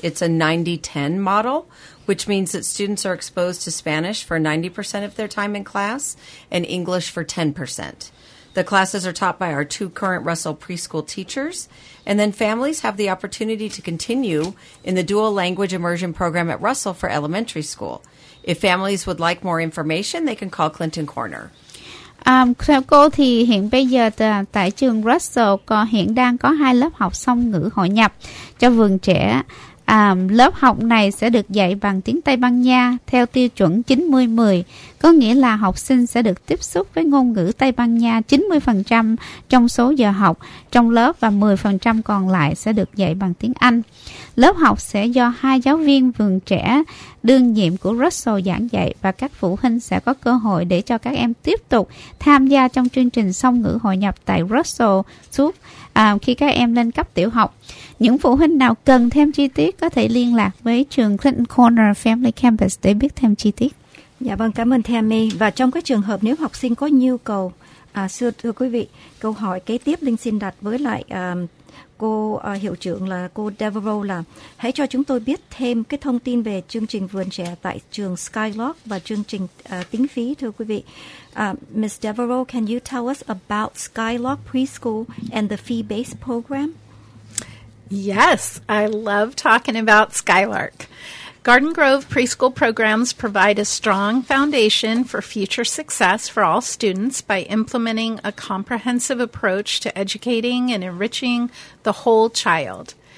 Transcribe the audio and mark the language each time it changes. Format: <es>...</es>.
<en>It's a 90-10 model, which means that students are exposed to Spanish for 90% of their time in class and English for 10%. The classes are taught by our two current Russell preschool teachers, and then families have the opportunity to continue in the dual language immersion program at Russell for elementary school. If families would like more information, they can call Clinton Corner.</en> <vi>Theo cô thì hiện bây giờ tại trường Russell hiện đang có hai lớp học song ngữ hội nhập cho vườn trẻ. Lớp học này sẽ được dạy bằng tiếng Tây Ban Nha theo tiêu chuẩn 90-10, có nghĩa là học sinh sẽ được tiếp xúc với ngôn ngữ Tây Ban Nha 90% trong số giờ học trong lớp và 10% còn lại sẽ được dạy bằng tiếng Anh. Lớp học sẽ do hai giáo viên vườn trẻ đương nhiệm của Russell giảng dạy và các phụ huynh sẽ có cơ hội để cho các em tiếp tục tham gia trong chương trình song ngữ hội nhập tại Russell suốt khi các em lên cấp tiểu học. Những phụ huynh nào cần thêm chi tiết có thể liên lạc với trường Clinton Corner Family Campus để biết thêm chi tiết. Dạ vâng, cảm ơn Tammy. Và trong cái trường hợp nếu học sinh có nhu cầu, xưa thưa quý vị, câu hỏi kế tiếp Linh xin đặt với lại cô hiệu trưởng là cô Devereaux là hãy cho chúng tôi biết thêm cái thông tin về chương trình vườn trẻ tại trường Skylark và chương trình tính phí, thưa quý vị.</vi> <en>Ms. Devereaux, can you tell us about Skylark Preschool and the fee-based program? Yes, I love talking about Skylark. Garden Grove preschool programs provide a strong foundation for future success for all students by implementing a comprehensive approach to educating and enriching the whole child.</en>